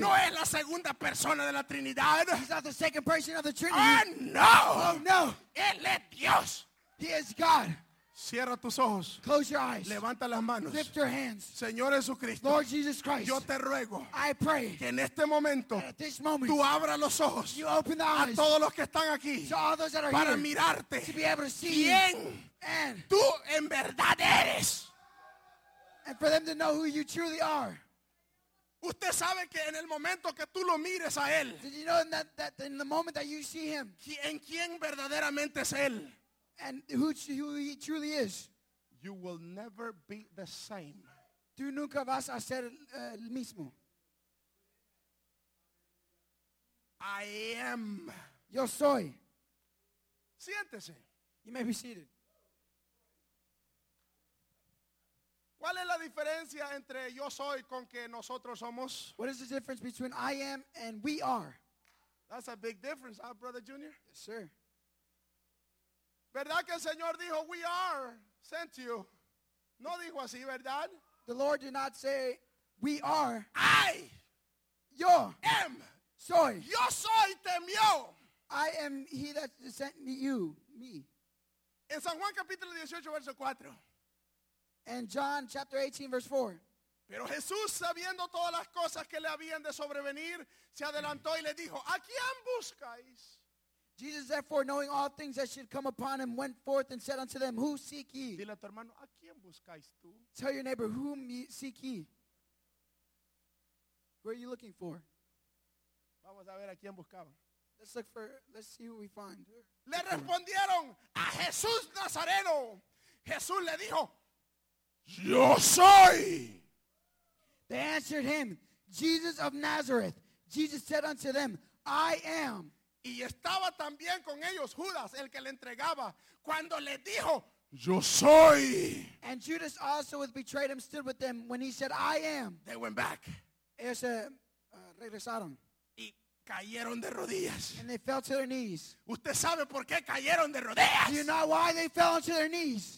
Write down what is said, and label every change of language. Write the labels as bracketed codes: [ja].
[es] No es la segunda persona de la Trinidad. [en] He's not the second person of the Trinity. Oh, no. Oh, no. [es] Él es Dios. [en] He is God. [es] Cierra tus ojos. [en] Close your eyes. [es] Levanta las manos. [en] Lift your hands. [es] Señor Jesucristo. [en] Lord Jesus Christ. [es] Yo te ruego. [en] I pray. [es] Que en este momento. [en] At this moment. [es] Tú abras los ojos. [en] You open the eyes. [es] A todos los que están aquí. [en] To all those that are [es] para [en] here. [es] Para mirarte. [en] To be able to see. [es] Quién. [en] And. [es] Tú en verdad eres. [en] And for them to know who you truly are. [es] Usted sabe que en el momento que tú lo mires a él. [en] Did you know that in the moment that you see him. [es] En quién verdaderamente es él. [en] And who he truly is. You will never be the same. [es] Tú nunca vas a ser el mismo. [en] I am. [es] Yo soy. Siéntese. [en] You may be seated. [es] ¿Cuál es la diferencia entre yo soy con que nosotros somos? [en] What is the difference between I am and we are? That's a big difference, huh, Brother Junior? Yes, sir. [es] ¿Verdad que el Señor dijo, [en] we are sent you? [es] No dijo así, ¿verdad? [en] The Lord did not say, we are. I. [es] Yo. [en] Am. [es] Soy. Yo soy temió. [en] I am he that sent me you, me. [es] En San Juan capítulo 18, verso 4. [en] And John chapter 18, verse 4. [es] Pero Jesús, sabiendo todas las cosas que le habían de sobrevenir, se adelantó y le dijo, ¿a quién buscáis? [en] Jesus, therefore, knowing all things that should come upon him, went forth and said unto them, who seek ye? [es] Dile a tu hermano, ¿a quién buscáis tú? [en] Tell your neighbor, whom ye seek ye? Who are you looking for? [es] Vamos a ver a quién buscaban. [en] Let's look for, let's see who we find. [es] Le respondieron, a Jesús Nazareno. Jesús le dijo, yo soy. [en] They answered him, Jesus of Nazareth. Jesus said unto them, I am. [es] Y estaba también con ellos Judas, el que le entregaba, cuando le dijo, yo soy. [en] And Judas also was betrayed him, stood with them when he said, I am. They went back. [es] Ellos regresaron. Y cayeron de rodillas. [en] And they fell to their knees. [es] ¿Usted sabe por qué cayeron de rodillas? [en] Do you know why they fell onto their knees?